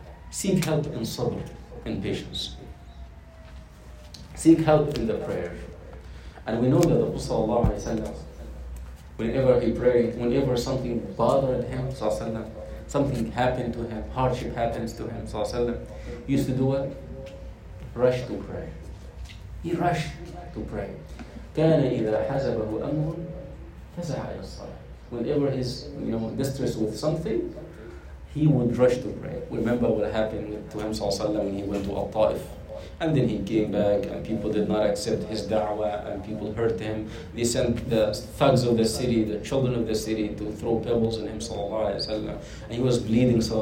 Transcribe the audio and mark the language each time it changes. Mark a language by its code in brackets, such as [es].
[en] Seek help in sabr. And patience. Seek help in the prayer. And we know that the Prophet, whenever he prayed, whenever something bothered him, something happened to him, hardship happens to him, used to do what? Rush to pray. He rushed to pray. [ar] كان إذا حزبه أمر تزع إلى الصلاة. [en] Whenever he's, you know, distressed with something, he would rush to pray. Remember what happened to him when he went to Al-Ta'if. And then he came back and people did not accept his da'wah and people hurt him. They sent the thugs of the city, the children of the city, to throw pebbles on him. And he was bleeding.